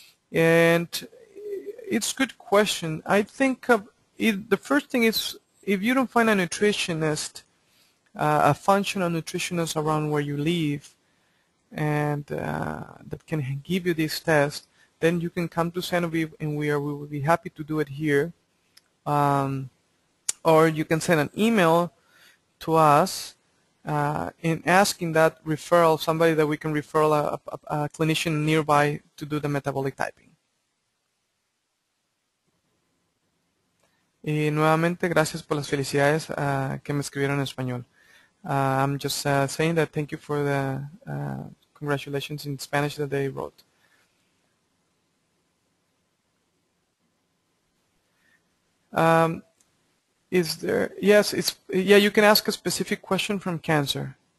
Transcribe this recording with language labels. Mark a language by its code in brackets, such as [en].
[en] And it's a good question. I think the first thing is, if you don't find a nutritionist, a functional nutritionist around where you live, and that can give you this test, then you can come to San Jose and we will be happy to do it here. Or you can send an email to us in asking that referral, somebody that we can refer a clinician nearby to do the metabolic typing. [es] Y nuevamente, gracias por las felicidades que me escribieron en español. [en] I'm just saying that thank you for the congratulations in Spanish that they wrote. Is there, yes, it's, yeah, you can ask a specific question from cancer.